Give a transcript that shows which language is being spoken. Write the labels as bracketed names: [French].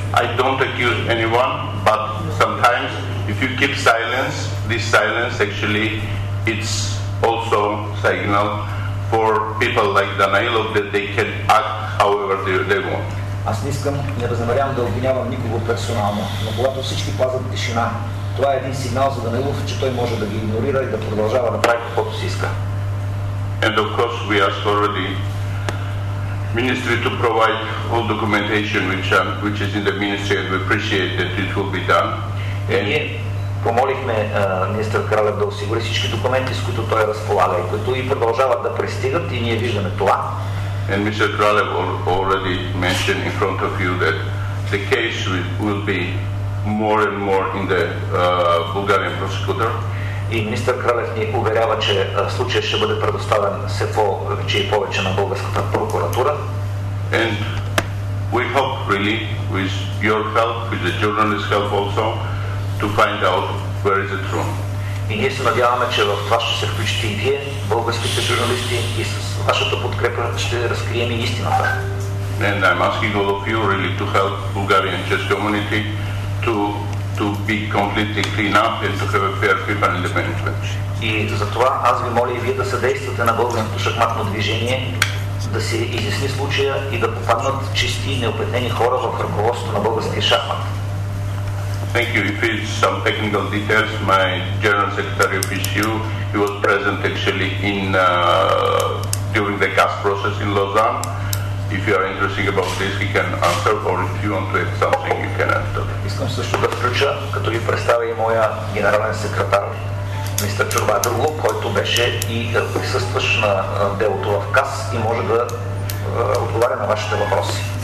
[English] I don't accuse anyone, but sometimes if you keep silence, this silence actually it's also signal for people like Danailov that they can act however they want. [Bulgarian] Аз не възнамерявам да обвинявам никого персонално, но когато всички пазят тишина, това е един сигнал за Данилов, че той може да ги игнорира и да продължава да прави каквото си иска. [English] And of course we ask already ministry to provide all documentation which is in the ministry and we appreciate that it will be done. And [Bulgarian] помолихме министър Кралев да осигури всички документи, с които той разполага и които и продължават да пристигат и ние виждаме това. [English] And Mr. Kralev already mentioned in front of you that the case will be more and more in the Bulgarian prosecutor. [Bulgarian] И министър Кралев ни уверява, че случая ще бъде предоставен все повече и повече на българската прокуратура. [English] And we hope really with your help, with the journalist's help also, to find out where is the truth. [Bulgarian] И ние се надяваме, че в това ще се включите и вие, българските журналисти, и с вашата подкрепа ще разкрием и истината. [English] And I'm asking all of you really to help Bulgarian chess community to be completely clean up and to have a fair people in the management. [Bulgarian] И затова аз ви моля и вие да съдействате на българското шахматно движение, да се изясни случая и да попаднат чисти и неопетнени хора в ръководството на българския шахмат. [English] Thank you. If it's some technical details, my general secretary of ECU, he was present actually in during the CAS process in Lausanne. If you are interested about this, he can answer, or if you want to add something, you can add to it. [Bulgarian] Искам също да включа, като ви представя и моя генерален секретар, мистер Чурбадърло, който беше и присъстващ на делото в КАС и може да отговаря на вашите въпроси.